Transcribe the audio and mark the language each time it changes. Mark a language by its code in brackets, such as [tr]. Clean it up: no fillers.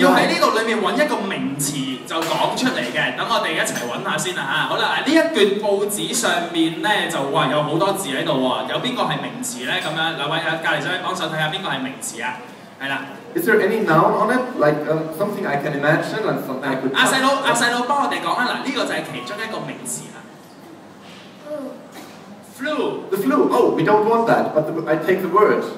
[zh] 要在這裡找一個名詞就說出來的，等我們一起找一下，好了，這一段報紙上面就說有很多字在這裡，有誰是名詞呢？兩位隔壁兄弟幫忙看看誰是名詞啊？ [en] Is there any noun on it? Like something I can imagine and something I could... [zh] 阿弟幫我們說，這就是其中一個名詞了。 [en] Flu. The flu. Oh, we don't want that, but I take the word.